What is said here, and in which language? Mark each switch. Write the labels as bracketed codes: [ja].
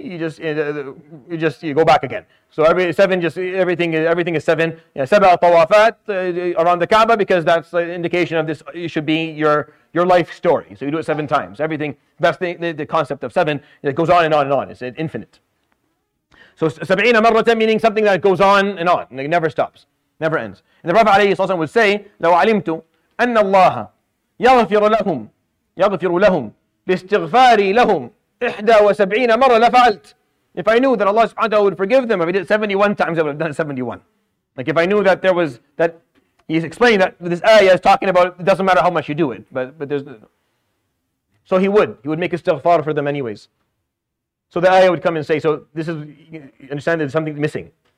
[en] You go back again. So everything is seven. Seba tawafat around the Kaaba, because that's the indication of this. It should be your life story. So you do it seven times. Everything, that's the concept of seven. It goes on and on and on. It's infinite. So [ar] sab'ina marratan, [en] meaning something that goes on and on. And it never stops. Never ends. And the Prophet alayhi salallahu alayhi would say, [ar] لو علمت أن الله يغفر لهم لاستغفاري لهم 71 مرة لفعلت. [en] If I knew that Allah subhanahu wa ta'ala would forgive them, if I did it 71 times, I would have done it 71. Like if I knew that there was, that he's explaining that this ayah is talking about, it doesn't matter how much you do it, but there's, so he would make istighfar for them anyways. So the ayah would come and say, so this is, you understand there's something missing.